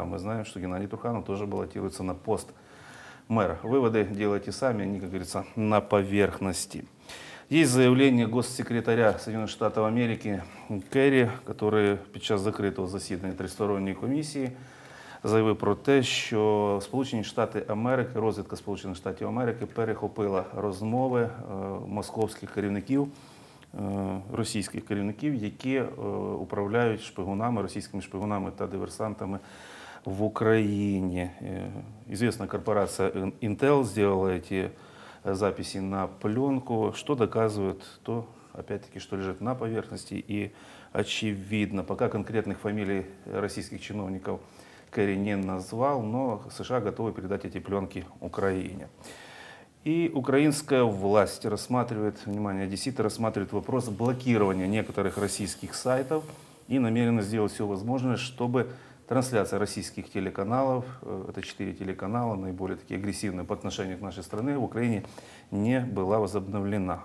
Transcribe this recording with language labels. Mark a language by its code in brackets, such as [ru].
[ru] А мы знаем, что Геннадий Труханов тоже баллотируется на пост мэра. Выводы делайте сами, они, как говорится, на поверхности. Есть заявление госсекретаря Соединенных Штатов Америки Керри, который под час закрытого заседания Тристоронней комиссии [uk] заявив про те, що Сполучені Штати Америки, розвідка Сполучених Штатів Америки перехопила розмови московських керівників, російських керівників, які управляють шпигунами, російськими шпигунами та диверсантами в Україні. Звісно, корпорація Intel зробила ці записи на пленку, що доказує то, [ru] опять-таки, [uk] що лежить на поверхності і очевидно. Поки конкретних фамілій російських чиновників Керри [ru] не назвал, но США готовы передать эти пленки Украине. И украинская власть рассматривает, внимание, одесситы рассматривают вопрос блокирования некоторых российских сайтов и намерена сделать все возможное, чтобы трансляция российских телеканалов, это 4 телеканала, наиболее такие агрессивные по отношению к нашей стране, в Украине не была возобновлена.